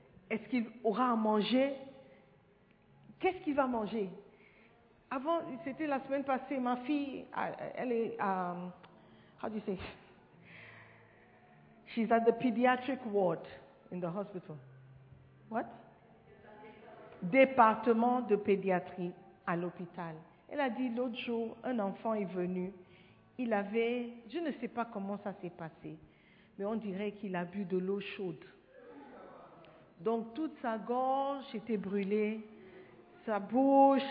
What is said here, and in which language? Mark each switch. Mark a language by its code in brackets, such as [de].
[fr] Est-ce qu'il aura à manger? Qu'est-ce qu'il va manger? Avant, c'était la semaine passée, ma fille, elle est à... [en] how do you say? She's at the pediatric ward in the hospital. What? [fr] Département de pédiatrie à l'hôpital. Elle a dit, l'autre jour, un enfant est venu. Il avait, je ne sais pas comment ça s'est passé, mais on dirait qu'il a bu de l'eau chaude. Donc, toute sa gorge était brûlée, sa bouche.